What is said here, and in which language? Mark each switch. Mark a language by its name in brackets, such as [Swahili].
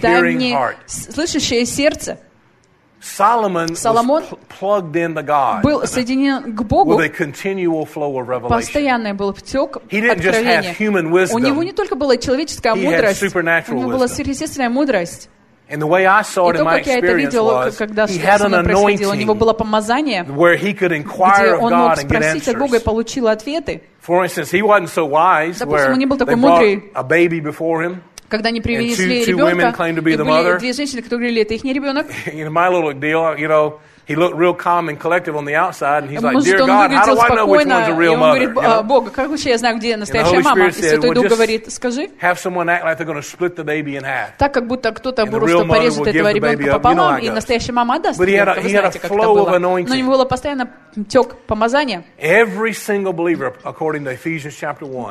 [Russian] дай мне [English] heart. [Russian] Слышащее сердце. [English] Solomon was plugged into God. [Russian] Был соединен к Богу. [English] With a continual flow of revelation. [Russian] Постоянный был потек откровения. [English] He didn't just have human wisdom. [Russian] У него не только была человеческая мудрость. [English] He had supernatural wisdom. [Russian] У него была сверхъестественная мудрость. [English] And the way I saw it in my experience was, he had an anointing where he could inquire of God and get answers. For instance, he wasn't so wise where they brought a baby before him. [Russian] Когда они привели [English] and two [Russian] ребенка, [English] women claimed to be the mother. [Russian] Две женщины, которые говорили, это их не ребенок. [English] In my little deal, you know, he looked real calm and collective on the outside, and he's like, "Dear God, [Russian] спокойно, [English] how do I know which one's a real mother?" [Russian] Говорит, Бог, как вообще я знаю, где настоящая мама? И Святой Дух говорит, скажи. [English] Have someone act like they're going to split the baby in half. [Russian] Так как будто кто-то просто порежет этого ребенка пополам, и настоящая мама отдаст. [English] But he had a flow of anointing. [Russian] Но у него было постоянно тек помазания. [English] Every single believer, according to Ephesians chapter 1,